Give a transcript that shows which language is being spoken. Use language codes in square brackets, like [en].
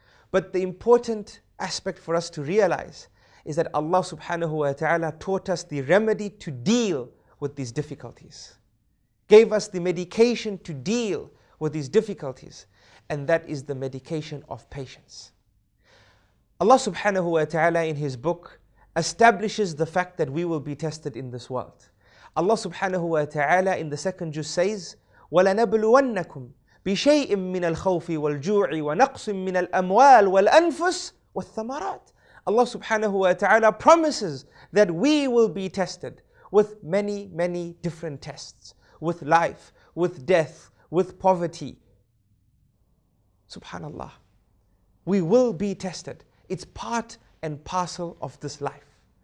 [en] But the important aspect for us to realize is that Allah subhanahu wa ta'ala taught us the remedy to deal with these difficulties, gave us the medication to deal with these difficulties, and that is the medication of patience. Allah subhanahu wa ta'ala in His book establishes the fact that we will be tested in this world. Allah subhanahu wa ta'ala in the second juz says, [ar] وَلَنَبْلُوَنَّكُمْ بِشَيْءٍ مِّنَ الْخَوْفِ وَالْجُوعِ وَنَقْصٍ مِّنَ الْأَمْوَالِ وَالْأَنفُسِ وَالثَّمَرَاتِ. [en] Allah subhanahu wa ta'ala promises that we will be tested with many, many different tests, with life, with death, with poverty. Subhanallah. We will be tested. It's part and parcel of this life.